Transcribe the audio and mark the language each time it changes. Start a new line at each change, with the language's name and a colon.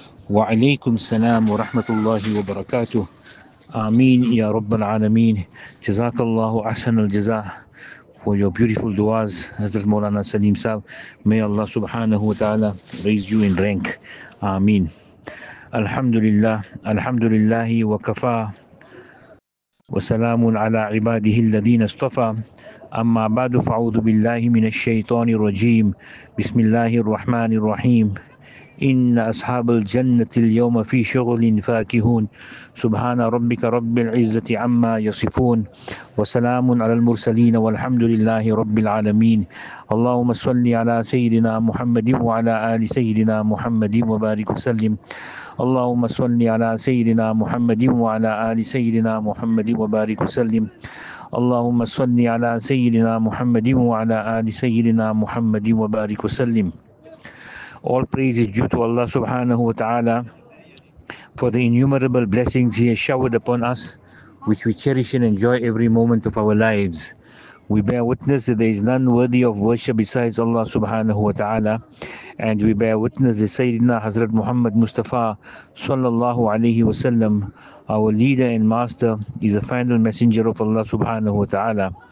Arabic: وعليكم السلام ورحمة الله وبركاته. آمين يا رب العالمين. جزاك الله أحسن الجزاء
English: for your beautiful duas, Hazrat Maulana Salim Sahab. May Allah subhanahu wa ta'ala raise you in rank. Ameen.
Arabic: Alhamdulillah, alhamdulillahi wa kafa, wa salamun ala ibadihi alladhina istafa. أما بعد فأعوذ بالله من الشيطان الرجيم بسم الله الرحمن الرحيم إن أصحاب الجنة اليوم في شغل فاكهون سبحان ربك رب العزة عما يصفون وسلام على المرسلين والحمد لله رب العالمين اللهم صل على سيدنا محمد وعلى آل سيدنا محمد وبارك وسلم اللهم صل على سيدنا محمد وعلى آل سيدنا محمد وبارك وسلم اللهم صل على سيدنا محمد وعلى آل سيدنا محمد وبارك وسلم.
English: All praise is due to Allah subhanahu wa ta'ala for the innumerable blessings He has showered upon us, which we cherish and enjoy every moment of our lives. We bear witness that there is none worthy of worship besides Allah subhanahu wa ta'ala, and we bear witness that Sayyidina Hazrat Muhammad Mustafa sallallahu alayhi wa sallam, our leader and master, is the final messenger of Allah subhanahu wa ta'ala.